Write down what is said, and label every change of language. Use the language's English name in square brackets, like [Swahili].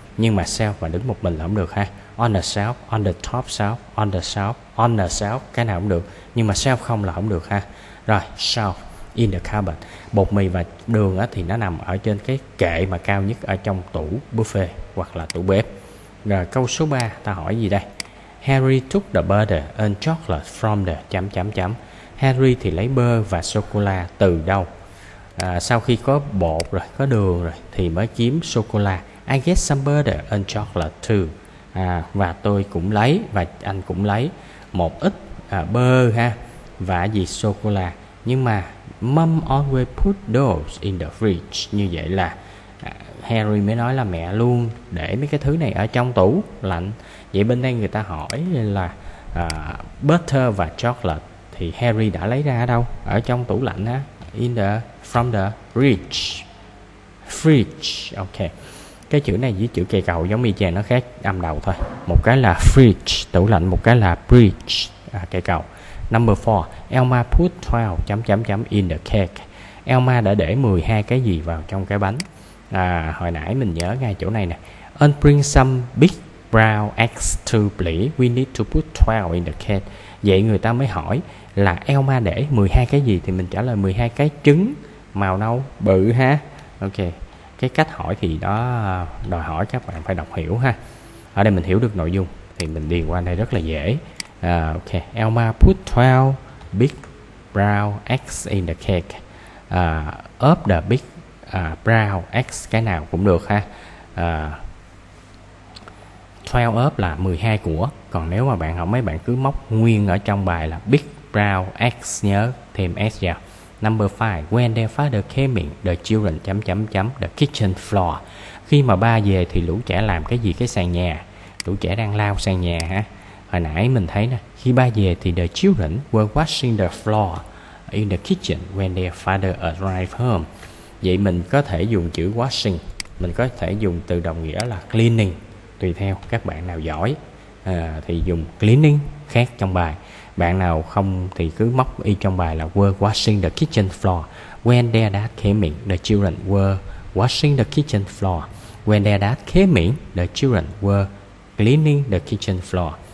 [Vietnamese] Nhưng mà self mà đứng một mình là không được ha. [English] On the shelf, on the top shelf, on the shelf, [Vietnamese] on the shelf, cái nào cũng được. Nhưng mà self không là không được ha. Rồi, [English] shelf, in the cupboard. [Vietnamese] Bột mì và đường á, thì nó nằm ở trên cái kệ mà cao nhất ở trong tủ buffet hoặc là tủ bếp. Rồi, câu số 3, ta hỏi gì đây? [English] Harry took the butter and chocolate from the... [Vietnamese] Harry thì lấy bơ và sô-cô-la từ đâu? Sau khi có bột rồi, có đường rồi, thì mới kiếm sô-cô-la. [English] I get some butter and chocolate too. [Vietnamese] Và tôi cũng lấy, và anh cũng lấy một ít bơ ha, và gì sô-cô-la. Nhưng mà [English] mom always put those in the fridge. [Vietnamese] Như vậy là Harry mới nói là mẹ luôn để mấy cái thứ này ở trong tủ lạnh. Vậy bên đây người ta hỏi là butter và chocolate thì Harry đã lấy ra ở đâu? Ở trong tủ lạnh ha. [English] In the, from the fridge. Fridge, okay. [Vietnamese] Cái chữ này với chữ cây cầu giống y chang, nó khác âm đầu thôi. Một cái là fridge, tủ lạnh, một cái là bridge, cây cầu. [English] Number 4, Elma put 12... in the cake. [Vietnamese] Elma đã để 12 cái gì vào trong cái bánh? Hồi nãy mình nhớ ngay chỗ này nè. [English] And bring some big brown eggs to please. We need to put 12 in the cake. [Vietnamese] Vậy người ta mới hỏi là Elma để 12 cái gì? Thì mình trả lời 12 cái trứng màu nâu bự ha. Ok. Cái cách hỏi thì đó đòi hỏi các bạn phải đọc hiểu ha. Ở đây mình hiểu được nội dung thì mình điền qua đây rất là dễ. [English] Ok, Elma put 12 big brown eggs in the cake. Up the big brown eggs, [Vietnamese] cái nào cũng được ha. 12 up là 12 của. Còn nếu mà bạn không mấy bạn cứ móc nguyên ở trong bài là [English] big brown eggs, [Vietnamese] nhớ thêm s vào. [English] Number 5, when their father came in, the children... the kitchen floor. [Vietnamese] Khi mà ba về thì lũ trẻ làm cái gì cái sàn nhà? Lũ trẻ đang lau sàn nhà ha. Hồi nãy mình thấy nè, khi ba về thì [English] the children were washing the floor in the kitchen when their father arrived home. [Vietnamese] Vậy mình có thể dùng chữ washing, mình có thể dùng từ đồng nghĩa là cleaning, tùy theo các bạn nào giỏi thì dùng cleaning khác trong bài. Bạn nào không thì cứ móc y trong bài là [English] were washing the kitchen floor. When their dad came in, the children were washing the kitchen floor. When their dad came in, the children were cleaning the kitchen floor.